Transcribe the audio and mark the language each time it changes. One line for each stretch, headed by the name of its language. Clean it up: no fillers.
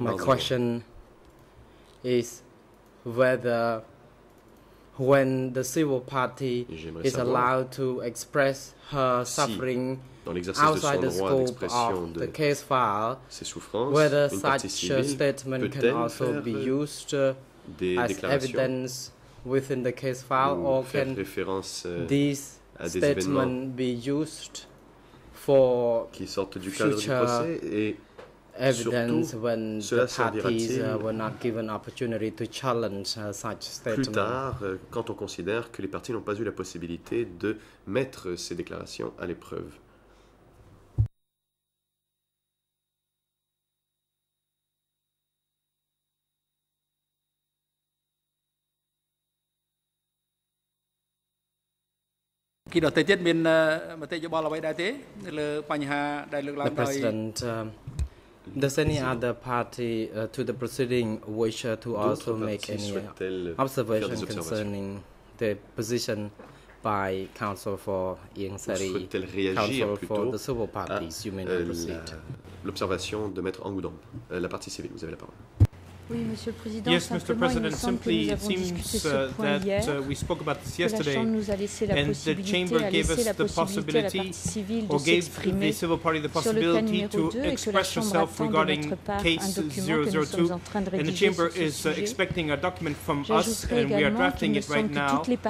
English: My question is whether when the civil party is allowed to express her suffering outside the scope of the case file, whether such a statement can also be used as evidence within the case file, or can this statement be used for future evidence when the parties were not given opportunity to challenge such statement?
French: Plus tard, quand on considère que les parties n'ont pas eu la possibilité de mettre ces déclarations à l'épreuve.
English: The President, does any other party to the proceeding wish to also make any observation concerning the position by counsel for Ian Sari, counsel for the civil parties? You may now proceed.
French: L'observation de Maître Angoudon, la partie civile, vous avez la parole. Oui, Monsieur le Président,
English: yes, Mr. President, simply it seems that we spoke about this yesterday and the Chamber gave us the possibility or gave the civil party the possibility to express herself regarding case 002, and the Chamber is expecting a document from us and we are drafting it right now,